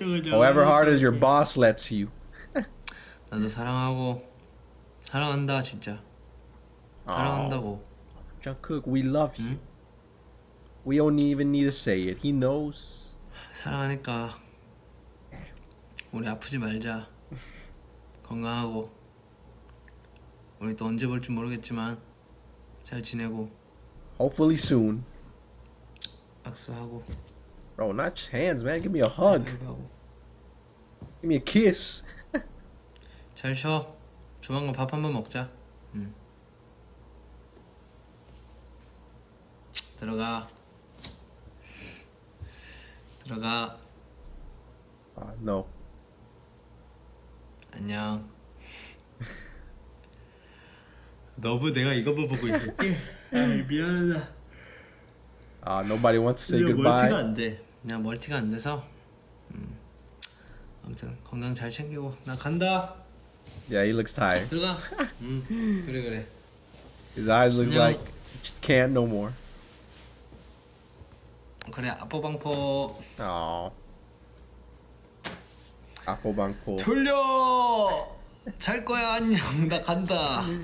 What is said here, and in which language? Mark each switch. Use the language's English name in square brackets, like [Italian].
[English] However hard as your boss lets you. [Korean] 나도 사랑하고 사랑한다 진짜. 사랑한다고. [English] Jungkook, we love you. We don't even need to say it. He knows. [Korean] 사랑하니까 우리 아프지 말자. 건강하고 우리 또 언제 볼지 모르겠지만 잘 지내고 [English] Hopefully soon [Korean] 악수하고 [English] Bro, not just hands, man. Give me a hug. Give me a kiss. [Korean] 잘 쉬어. 조만간 밥 한번 먹자. 들어가. 들어가. [English] 아, no. [Korean] 안녕. 너부 내가 이거 보고 있을게. 아이, 미안하다. [English] 아, nobody wants to say goodbye. [Korean] 멀티가 안 돼. 그냥 멀티가 안 돼서. 아무튼 건강 잘 챙기고 나 간다. [English] Yeah, he looks tired. [Korean] 들어가. 그래 그래. [English] His eyes look [Korean] 안녕. [English] Like just can't no more. [Korean] 그래, 아포방포. 아. 아포방포. 졸려. 잘 거야. 안녕. 나 간다.